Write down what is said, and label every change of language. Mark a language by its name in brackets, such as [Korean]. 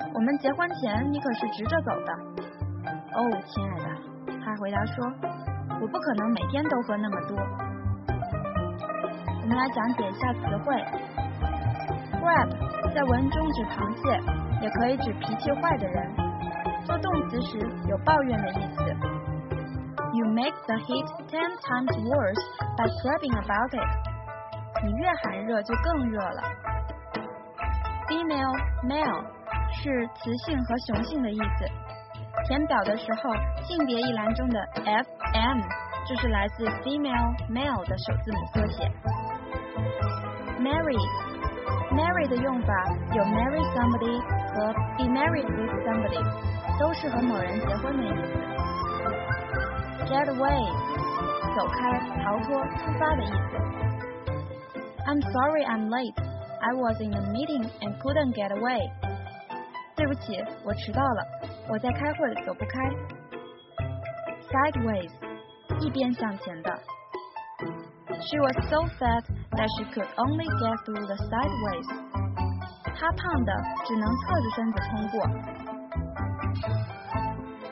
[Chinese] 我们结婚前你可是直着走的。哦，亲爱的，他回答说，我不可能每天都喝那么多。我们来讲解一下词汇。Crab 在文中指螃蟹，也可以指脾气坏的人，做动词时有抱怨的意思。 [English] You make the heat 10 times worse by crabbing about it. [Chinese] 你越寒热就更热了。Female, male 是雌性和雄性的意思。填表的时候，性别一栏中的 FM 就是来自 female, male 的首字母缩写。 Marry, marry 的用法有 [English] marry somebody [Chinese] 和 [English] be married with somebody， [Chinese] 都是和某人结婚的意思。 Get away， 走开、逃脱、出发的意思。 [English] I'm sorry I'm late. I was in a meeting and couldn't get away. [Chinese] 对不起，我迟到了，我在开会，走不开。 Sideways， 一边向前的。 [English] She was so fat that she could only get through the sideways. [Chinese] 她胖的，只能侧着身子通过。